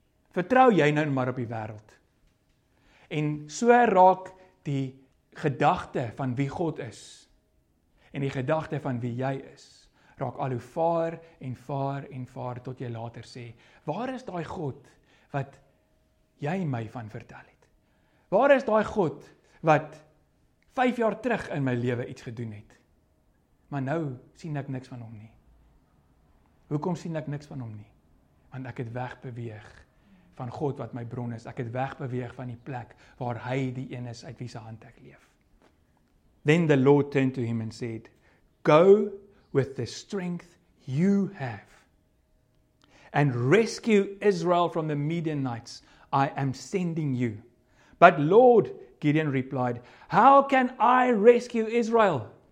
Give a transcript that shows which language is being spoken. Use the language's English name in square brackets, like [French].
[Afrikaans] Vertrou jy nou maar op die wêreld." En so raak die gedagte van wie God is en die gedagte van wie jy is. Raak al hoe vaar en vaar en vaar tot jy later sê, waar is daai God wat jy my van vertel het? Waar is daai God wat 5 jaar terug in my lewe iets gedoen het? Maar nou sien ek niks van hom nie. Hoekom sien ek niks van hom nie? Want ek het wegbeweeg van God wat my bron is. Ek het wegbeweeg van die plek waar hy die een is uit wie se hand ek leef. [English] Then the Lord turned to him and said, go with the strength you have and rescue Israel from the Midianites I am sending you. But Lord, Gideon replied, how can I rescue Israel?